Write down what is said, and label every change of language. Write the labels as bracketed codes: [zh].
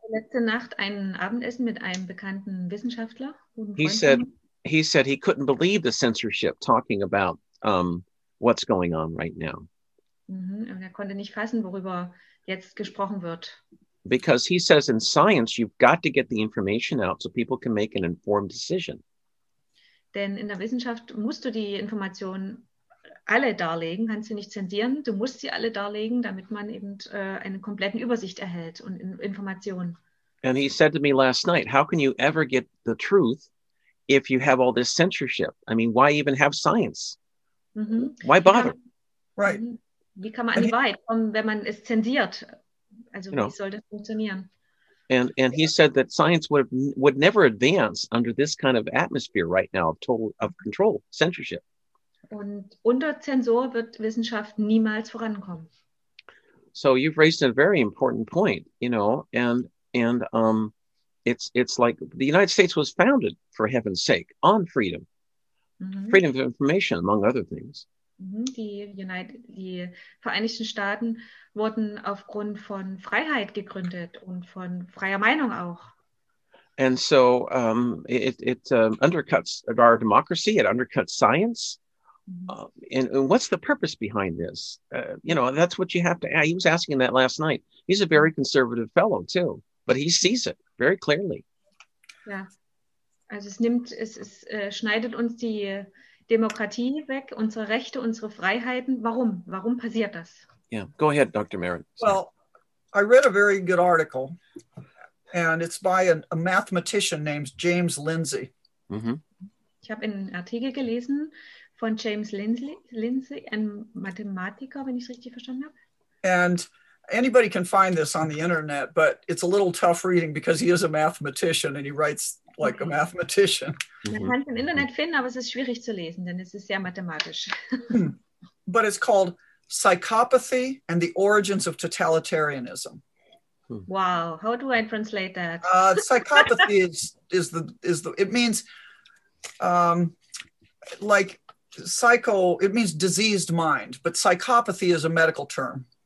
[de] letzte Nacht ein Abendessen mit einem bekannten Wissenschaftler. [en] He said he couldn't believe the censorship talking about what's going on right now. [de] Und er konnte nicht fassen, worüber jetzt gesprochen wird. [en] Because he says in science you've got to get the information out so people can make an informed decision. [de] Denn in der Wissenschaft musst du die Informationen alle darlegen, kannst du nicht zensieren, du musst sie alle darlegen, damit man eben einen kompletten Übersicht erhält und Informationen. [en] And he said to me last night, how can you ever get the truth if you have all this censorship? I mean, why even have science? Mm-hmm. Why bother? Right. [de] Wie kann man an die Wahrheit kommen, wenn man es zensiert? Also, wie soll das funktionieren? [en] And he said that science would never advance under this kind of atmosphere right now of control, censorship. [de] Und unter Zensur wird Wissenschaft niemals vorankommen. [en] So you've raised a very important point, you know, and it's like the United States was founded, for heaven's sake, on freedom. Mm-hmm. Freedom of information, among other things. [de] Die Vereinigten Staaten wurden aufgrund von Freiheit gegründet und von freier Meinung auch. [en] And so it undercuts our democracy, it undercuts science. And what's the purpose behind this? You know, that's what you have to ask. He was asking that last night. He's a very conservative fellow too, but he sees it very clearly. Yeah. [de] Also schneidet uns die Demokratie weg, unsere Rechte, unsere Freiheiten. Warum? Warum passiert das? [en] Yeah, go ahead, Dr. Merritt. Well, I read a very good article, and it's by a mathematician named James Lindsay. Mm-hmm. [de] Ich habe einen Artikel gelesen von James Lindsay, einem Mathematiker, wenn ich es richtig verstanden habe. [en] And anybody can find this on the internet, but it's a little tough reading because he is a mathematician and he writes like a mathematician. [de] Man kann es im Internet finden, aber es ist schwierig zu lesen, denn es ist sehr mathematisch. [en] But it's called Psychopathy and the Origins of Totalitarianism. Wow, how do I translate that? Psychopathy is the it means like psycho, it means diseased mind, but psychopathy is a medical term.